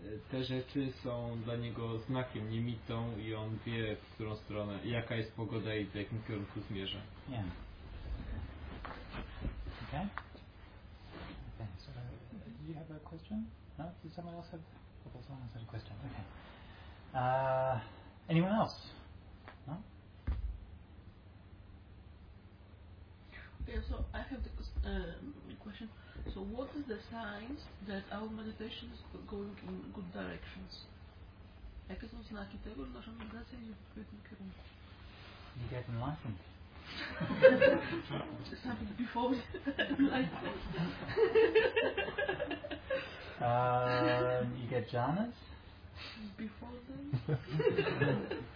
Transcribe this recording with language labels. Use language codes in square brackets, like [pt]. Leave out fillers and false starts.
[pl] Te rzeczy są dla niego znakiem, nimitą i on wie, w którą stronę, jaka jest pogoda i w jakim kierunku zmierza. [en] Yeah. Okay. So, do you have a question? No? Did someone else have? Oh, someone else had a question. Okay. Anyone else? No. Okay. So I have the question. So what is the signs that our meditation is going in good directions? [pl] Jakie są znaki tego, że nasza medytacja idzie w odpowiednim kierunku? [en] You get enlightened. This happened before enlightenment. You get jhanas? Before then?